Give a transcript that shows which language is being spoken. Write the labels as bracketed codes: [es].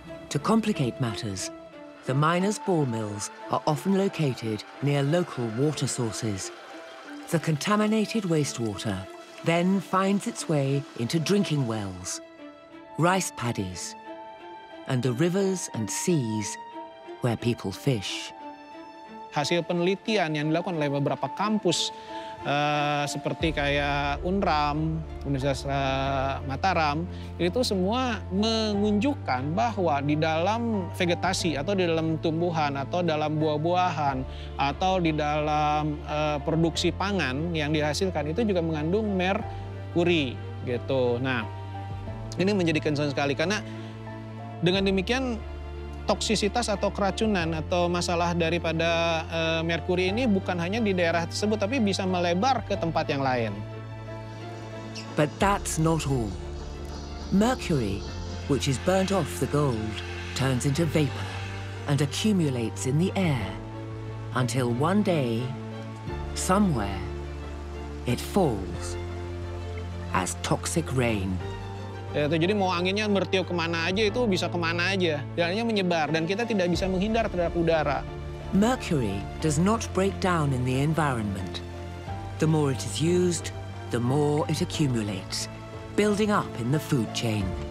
[en] To complicate matters, the miners' ball mills are often located near local water sources. The contaminated wastewater then finds its way into drinking wells, rice paddies, and the rivers and seas where people fish. [id] Hasil penelitian yang dilakukan oleh beberapa kampus seperti kayak UNRAM, Universitas Mataram, itu semua menunjukkan bahwa di dalam vegetasi atau di dalam tumbuhan atau dalam buah-buahan atau di dalam produksi pangan yang dihasilkan itu juga mengandung merkuri gitu. Nah, ini menjadi concern sekali karena dengan demikian toksisitas atau keracunan atau masalah daripada merkuri ini bukan hanya di daerah tersebut tapi bisa melebar ke tempat yang lain. [en] But that's not all. Mercury, which is burnt off the gold, turns into vapor and accumulates in the air until one day, somewhere, it falls as toxic rain. [id] Yaitu, jadi mau anginnya bertiup kemana aja itu bisa kemana aja. Jalannya menyebar dan kita tidak bisa menghindar terhadap udara. [en] Mercury does not break down in the environment. The more it is used, the more it accumulates, building up in the food chain.